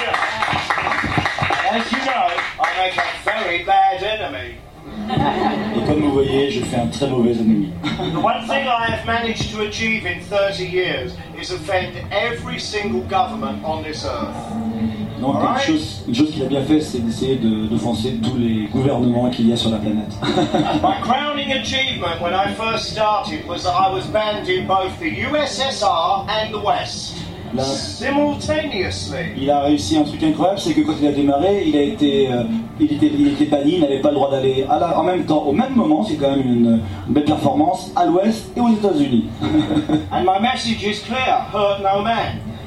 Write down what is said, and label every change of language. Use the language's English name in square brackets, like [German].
[English] As you know, I make a very bad enemy. [French] Et comme vous voyez, je fais un très mauvais ennemi. [English] The one thing I have managed to achieve in 30 years is offend every single government on this earth. [French] Donc [English] right? [French] une chose qu'il a bien fait, c'est d'essayer d'offenser tous les gouvernements qu'il y a sur la planète. [English] My crowning achievement when I first started was that I was banned in both the USSR and the West. [French] Il a réussi un truc incroyable, c'est que quand il a démarré, il était banni, il n'avait pas le droit d'aller en même temps, au même moment, c'est quand même une belle performance, à l'Ouest et aux États-Unis. [English] And my message is clear, hurt no man.